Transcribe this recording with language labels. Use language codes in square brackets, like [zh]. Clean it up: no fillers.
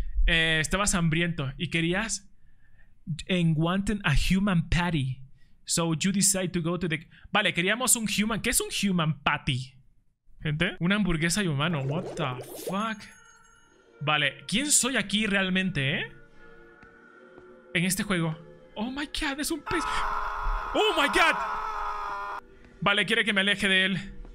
[es] Estabas hambriento y querías... [en] And wanting a human patty. So you decide to go to the... [es] Vale, queríamos un human... ¿Qué es un human patty? ¿Gente? Una hamburguesa y humano. [en] What the fuck? [es] Vale, ¿quién soy aquí realmente, En este juego. [en] Oh my god, [es] es un pez. Oh my god. Vale, quiere que me aleje de él.